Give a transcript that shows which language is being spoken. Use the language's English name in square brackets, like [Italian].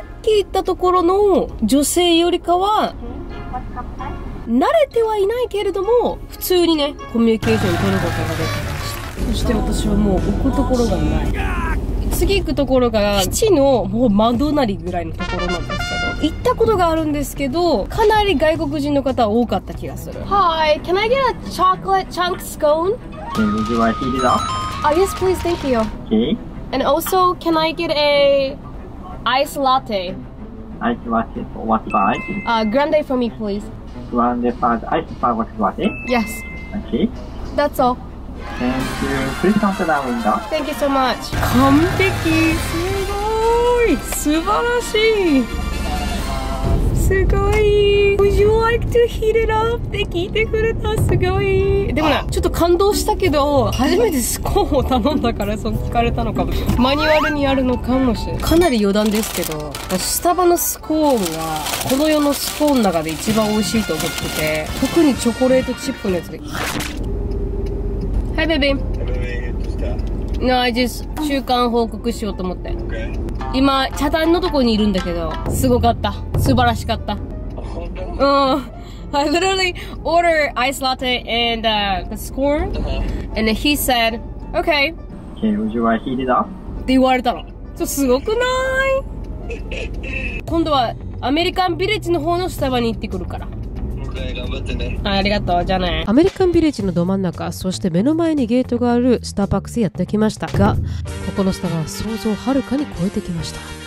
[Japanese] 行ったところの女性よりかは慣れてはいないけれども、普通にねコミュニケーションを取ることができました。そして私はもう置くところがない。次行くところが基地のもう窓なりぐらいのところなんですけど、行ったことがあるんですけど、かなり外国人の方多かった気がする。 [English] Hi, can I get a chocolate chunk scone? Can you heat it up? Yes, please, thank you. Okay. And also, can I get aice latte. Ice latte for what size? Grande for me, please. Grande for ice for what latte? Yes. Okay. That's all. Thank you. Please come to the window. Thank you so much. [Japanese] 完璧。すごい。素晴らしい。すごい。 [English] Would you like to heat it up? [Japanese] って聞いてくれた。すごい。でもな、ちょっと感動したけど、初めてスコーンを頼んだから、そう聞かれたのかもしれない。マニュアルにあるのかもしれない。かなり余談ですけど、スタバのスコーンは、この世のスコーンの中で一番美味しいと思ってて、特にチョコレートチップのやつで。 [English] Hi, baby. Hi, baby. No, I just, [Japanese] 中間報告しようと思って。 [English] Okay. [Japanese] 今、チャタンのとこにいるんだけど、すごかった。素晴らしかった。本当？うん。 [English] I literally ordered ice latte and the scone. And he said, okay. Okay, would you like heat it up? [Japanese] って言われたの。ちょ、すごくない？今度は、アメリカンビレッジの方のスタバに行ってくるから。頑張ってね。はい、ありがとう。じゃあね。アメリカンビレッジのど真ん中、そして目の前にゲートがあるスターバックスやってきましたが、ここのスタバは想像をはるかに超えてきました。